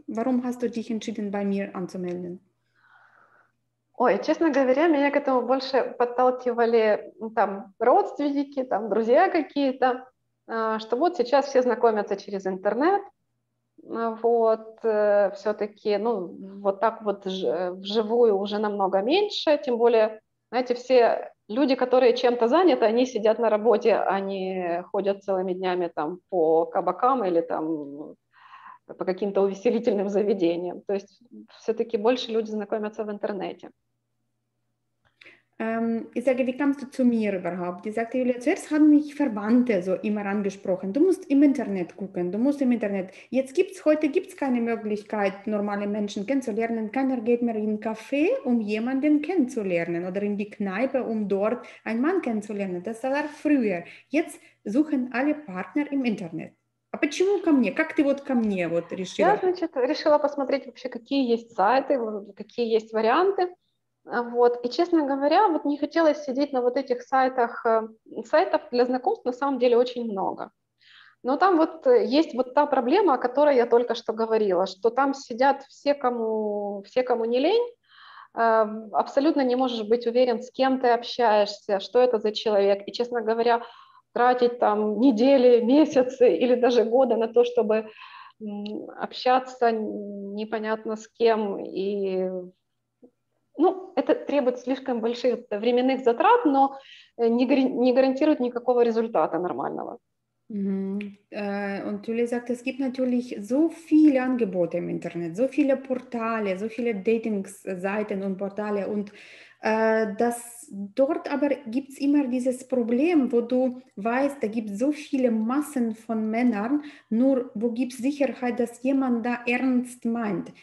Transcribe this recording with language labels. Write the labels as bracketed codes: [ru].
[de] Warum hast du dich entschieden, bei mir anzumelden? [ru] Ой, честно говоря, меня к этому больше подталкивали там родственники, там друзья какие-то, что вот сейчас все знакомятся через интернет. Вот, все-таки, ну, вот так вот вживую уже намного меньше, тем более, знаете, все люди, которые чем-то заняты, они сидят на работе, они ходят целыми днями там по кабакам или там по каким-то увеселительным заведениям. То есть все-таки больше люди знакомятся в интернете. [de] Ich sage, wie kamst du zu mir überhaupt? Ich sagte, Julia, zuerst haben mich Verwandte so immer angesprochen. Du musst im Internet gucken, du musst im Internet. Jetzt gibt's heute gibt's keine Möglichkeit, normale Menschen kennenzulernen. Keiner geht mehr in den Café, um jemanden kennenzulernen oder in die Kneipe, um dort einen Mann kennenzulernen. Das war früher. Jetzt suchen alle Partner im Internet. [ru] А почему ко мне? Как ты вот ко мне вот решила? Я, значит, решила посмотреть вообще, какие есть сайты, какие есть варианты. Вот. И, честно говоря, вот не хотелось сидеть на вот этих сайтах. Сайтов для знакомств на самом деле очень много. Но там вот есть вот та проблема, о которой я только что говорила, что там сидят все, кому не лень. Абсолютно не можешь быть уверен, с кем ты общаешься, что это за человек. И, честно говоря, тратить там недели, месяцы или даже годы на то, чтобы общаться непонятно с кем. И, ну, это требует слишком больших временных затрат, но не гарантирует никакого результата нормального. [de] Und Julia sagt, es gibt natürlich so viele Angebote im Internet, so viele Portale, so viele Dating-Seiten und Portale und dass dort aber gibt es immer dieses Problem, wo du weißt, da gibt es so viele Massen von Männern, nur wo gibt es Sicherheit, dass jemand da ernst meint.